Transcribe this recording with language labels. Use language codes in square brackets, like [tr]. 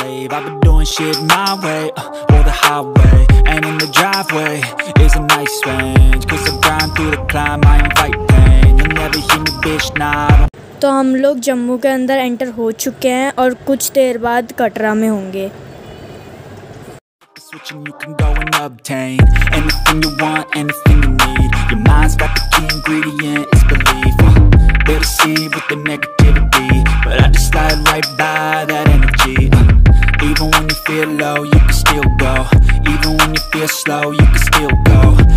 [en] I've been doing shit my way, or the highway. And in the driveway is a nice range. Cause I grind through the climb, I invite pain. You never hear me, bitch, nah. [hi] तो हम लोग जम्मू के अंदर enter हो चुके हैं और कुछ देर बाद कटरा में होंगे। [en] Switching, you can go and obtain anything you want, anything you need. Your mind's got the key ingredient, it's belief. They see with the negativity, but I just slide right by that energy. Even when you feel low, you can still go. Even when you feel slow, you can still go.